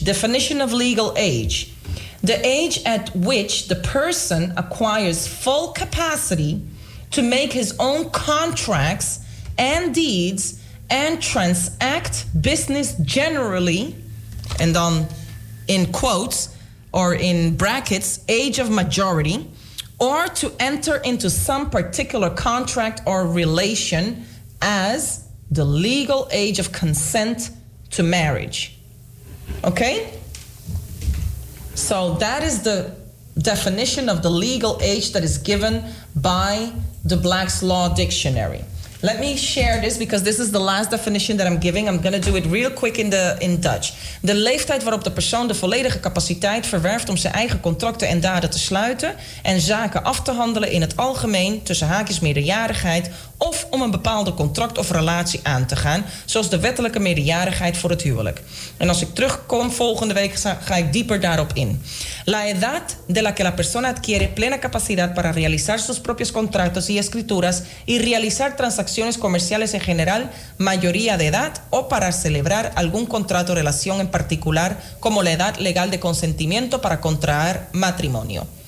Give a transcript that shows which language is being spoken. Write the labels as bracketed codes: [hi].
[en] Definition of legal age. The age at which the person acquires full capacity to make his own contracts and deeds and transact business generally, and on in quotes or in brackets, age of majority, or to enter into some particular contract or relation as the legal age of consent to marriage. Okay? So that is the definition of the legal age that is given by the Black's Law Dictionary. Let me share this because this is the last definition that I'm giving. I'm going to do it real quick in Dutch. [nl] De leeftijd waarop de persoon de volledige capaciteit verwerft om zijn eigen contracten en daden te sluiten en zaken af te handelen in het algemeen, tussen haakjes meerderjarigheid, of om een bepaalde contract of relatie aan te gaan, zoals de wettelijke meerderjarigheid voor het huwelijk. En als ik terugkom volgende week, ga ik dieper daarop in. [es] La edad de la que la persona adquiere plena capacidad para realizar sus propios contratos y escrituras y realizar transacciones comerciales en general, mayoría de edad, o para celebrar algún contrato o relación en particular, como la edad legal de consentimiento para contraer matrimonio.